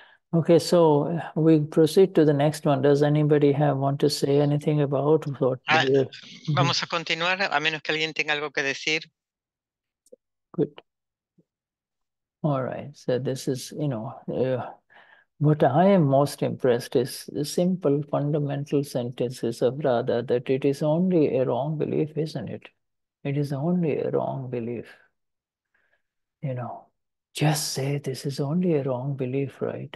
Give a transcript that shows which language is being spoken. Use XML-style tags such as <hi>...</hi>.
<en>Okay, so we proceed to the next one. Does anybody want to say anything about what?</en> <es>Vamos a continuar, a menos que alguien tenga algo que decir.</es> <en>Good. All right. So this is, you know, what I am most impressed is the simple fundamental sentences of Radha, that it is only a wrong belief, isn't it? It is only a wrong belief. You know, just say this is only a wrong belief, right?</en>